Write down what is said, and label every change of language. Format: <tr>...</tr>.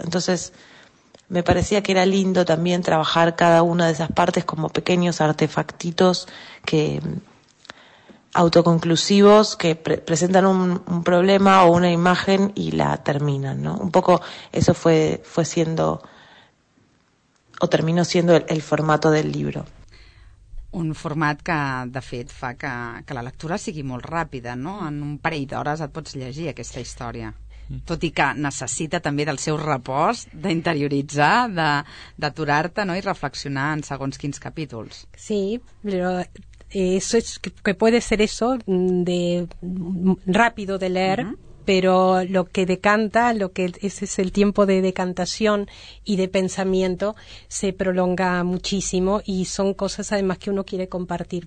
<es>Entonces, me parecía que era lindo también trabajar cada una de esas partes como pequeños artefactitos que autoconclusivos que presentan un problema o una imagen y la terminan, ¿no? Un poco eso fue siendo o terminó siendo el formato del libro.</es> <ca>Un format que, de fet, fa que la lectura sigui molt ràpida, no? En un parell d'hores et pots llegir aquesta història. Tot i que necessita també del seu repòs, d'interioritzar, d'aturar-te, no? I reflexionar en segons quins capítols.</ca> <es>Sí, però eso es que puede ser eso de rápido de leer. Uh-huh. Pero lo que decanta, lo que es el tiempo de decantación y de pensamiento, se prolonga muchísimo y son cosas además que uno quiere compartir.</es>